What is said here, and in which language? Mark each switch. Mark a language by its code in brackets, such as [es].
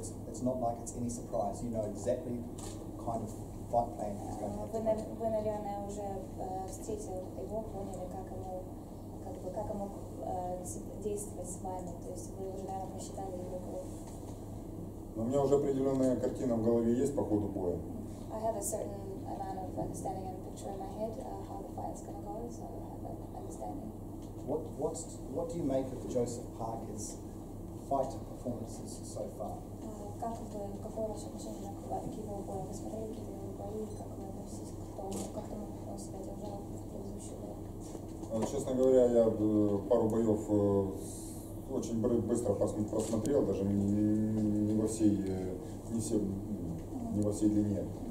[en] It's not like it's any surprise. You know exactly kind of fight plan he's going to have. [ru] Ви, наверное, уже встретили его, поняли, как ему действовать с вами. То есть вы уже, наверное, посчитали его. Но у меня уже определенная картина в голове есть по ходу боя. [en] I have a certain amount of understanding and picture in my head how the fight's going to go, so I have an understanding. What do you make of Joseph Parker's fight performances so far? [ru] Какое ваше отношение к его бою? Вы смотрели к его бою, как вы относитесь к тому, как он себя держал в предыдущем бою? Честно говоря, я пару боев очень быстро просмотрел, даже не во всей длине.